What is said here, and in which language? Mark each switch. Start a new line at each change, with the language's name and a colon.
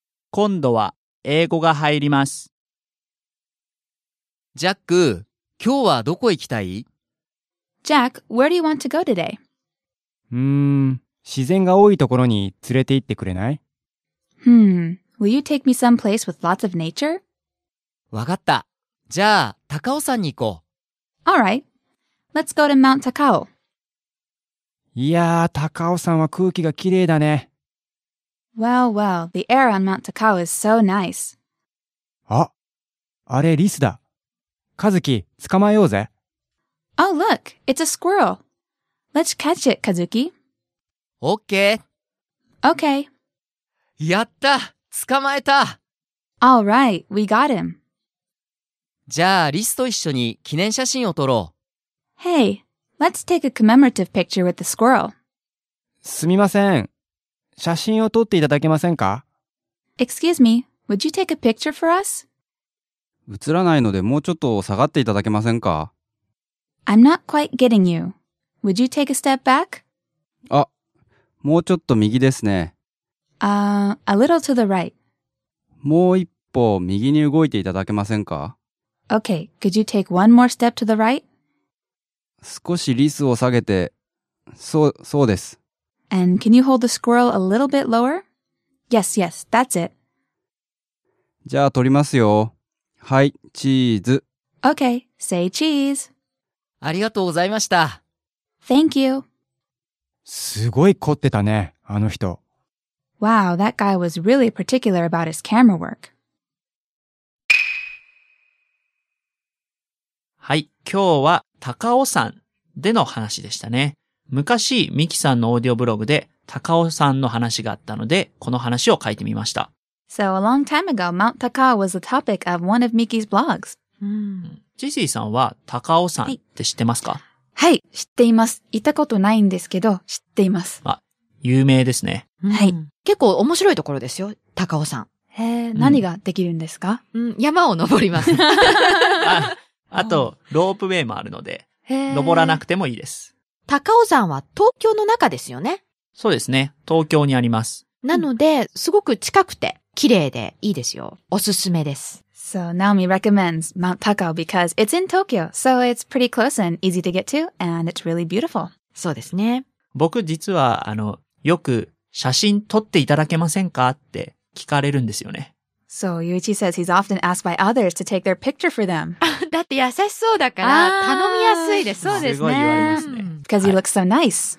Japanese: 今度は英語が入ります。ジャック、今日はどこ行きたい？
English: ジャック、 where do you want to go today?
Japanese: 自然が多いところに連れて行ってくれない？
English: Will you take me someplace with lots of nature?
Japanese: わかった。じゃあ、高尾山に行こう。
English: Alright. Let's go to Mount Takao.
Japanese: いやー、高尾山は空気がきれいだね。
English: Well, well, the air on Mount Takao is so nice.
Japanese: あ、あれリスだ。カズキ、捕まえようぜ。
English: Oh, look, it's a squirrel. Let's catch it, Kazuki.
Japanese: Okay. やった、捕まえた。
English: Alright, we got him.
Japanese: じゃあリスと一緒に記念写真を撮ろう。
English: Hey, let's take a commemorative picture with the squirrel.
Japanese: すみません。写真を撮っていただけませんか？
English: Excuse me, would you take a picture for us?
Japanese: 映らないのでもうちょっと下がっていただけませんか？
English: I'm not quite getting you. Would you take a step back?
Japanese: あ、もうちょっと右ですね。
English: A little to the right.
Japanese: もう一歩右に動いていただけませんか？
English: Okay, could you take one more step to the right?
Japanese: 少しリスを下げて、そうです。
English: And can you hold the squirrel a little bit lower? Yes, yes, that's it.
Japanese: じゃあ撮りますよ。はい、チーズ。
English: Okay, say cheese.
Japanese: ありがとうございました。
English: Thank you.
Japanese: すごい凝ってたね、あの人。
English: Wow, that guy was really particular about his camera work.
Japanese: はい、今日は高尾山での話でしたね。昔ミキさんのオーディオブログで高尾山の話があったのでこの話を書いてみました。
English: So a long time ago, Mount Takao was the topic of one of Miki's blogs.
Japanese: ジジイさんは高尾山って知ってますか？はい、はい、知っています。行ったことないんですけど知っています。あ、有名ですね。はい、結構面白いところですよ高尾山。へー、何ができるんですか？うん、山を登ります。あとロープウェイもあるので登らなくてもいいです。高尾山は東京の中ですよね。そうですね、東京にあります。なのですごく近くて綺麗でいいですよ。おすすめです。
English: So Naomi recommends Mount Takao because it's in Tokyo, so it's pretty close and easy to get to, and it's really beautiful.
Japanese: そうですね。僕実はよく写真撮っていただけませんかって聞かれるんですよね。
English: So Yuichi says he's often asked by others to take their picture for them.
Japanese: だって優しそうだから頼みやすいです。そうですね。すごい言われますね。
English: Because he looks so nice.